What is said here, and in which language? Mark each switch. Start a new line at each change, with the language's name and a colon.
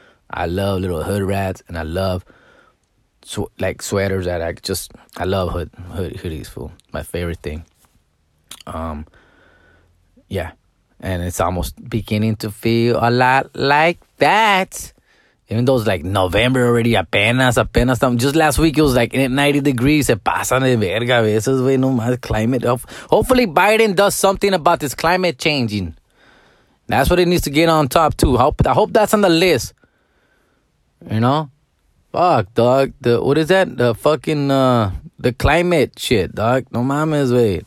English: I love little hood rats and I love like sweaters that I love hoodies, fool. My favorite thing. Yeah. And it's almost beginning to feel a lot like that. Even though it's like November already, apenas, something. Just last week it was like 90 degrees.
Spanish: Se pasan de verga, veces, wey, no más climate.
English: Hopefully Biden does something about this climate changing. That's what it needs to get on top too. I hope that's on the list. You know? Fuck, dog. What is that? The fucking, the climate shit, dog. No mames, wey.